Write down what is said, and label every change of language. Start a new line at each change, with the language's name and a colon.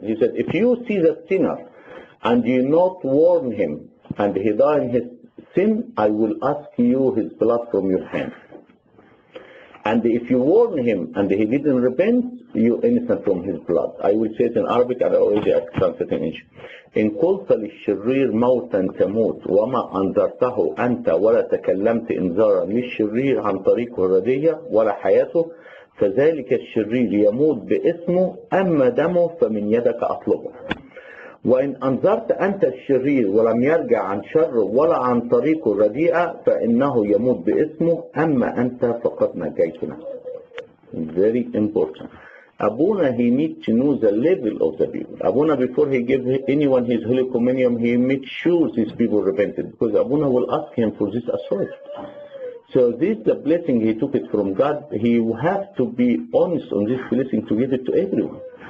English: He said, if you see the sinner and you not warn him and he die in his sin, I will ask you his blood from your hand. And if you warn him and he didn't repent, you innocent from his blood. I will say it in Arabic, and I already translated in English.
Arabic: إن قلت للشرير موتا تموت وما أنذرته أنت ولا تكلمت إنذارا للشرير عن طريقه الردية ولا حياته فذلك الشرير يموت باسمه أما دمه فمن يدك أطلبه. وإن أنذرت أنت الشرير ولم يرجع عن شره ولا عن طريقه الرديئة فإنه يموت باسمه أما أنت فقد نجيتنا.
English: Very important. Abuna, he needs to know the level of the people. Abuna, before he gives anyone his holy communion, he makes sure these people repented, because Abuna will ask him for this authority. So this is the blessing he took it from God. He has to be honest on this blessing to give it to everyone.